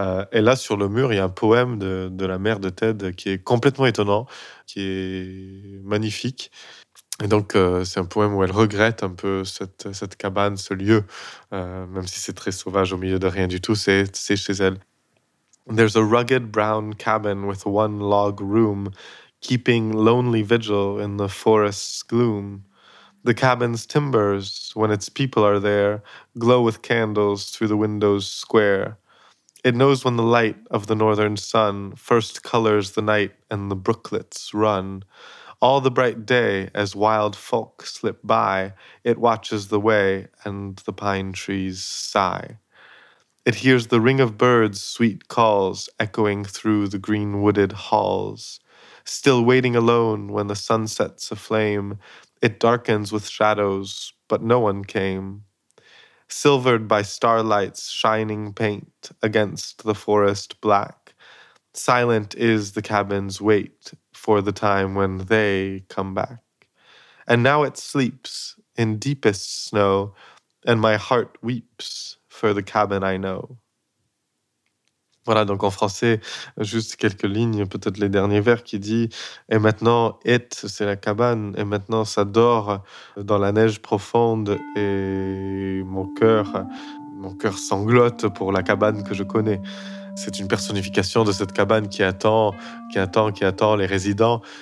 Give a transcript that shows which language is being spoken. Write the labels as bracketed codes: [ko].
[fr] Et là, sur le mur, il y a un poème de la mère de Ted qui est complètement étonnant, qui est magnifique. Et donc, c'est un poème où elle regrette un peu cette cabane, ce lieu, même si c'est très sauvage au milieu de rien du tout, c'est chez elle. [en] There's a rugged brown cabin with one log room, keeping lonely vigil in the forest's gloom. The cabin's timbers, when its people are there, glow with candles through the windows square. It knows when the light of the northern sun first colors the night and the brooklets run. All the bright day, as wild folk slip by, it watches the way and the pine trees sigh. It hears the ring of birds' sweet calls echoing through the green wooded halls. Still waiting alone when the sun sets aflame, it darkens with shadows, but no one came. Silvered by starlight's shining paint against the forest black, silent is the cabin's wait for the time when they come back. And now it sleeps in deepest snow, and my heart weeps for the cabin I know. [fr] Voilà, donc en français, juste quelques lignes, peut-être les derniers vers, qui dit « Et maintenant, it, c'est la cabane, et maintenant, ça dort dans la neige profonde, et mon cœur sanglote pour la cabane que je connais. » C'est une personnification de cette cabane qui attend les résidents.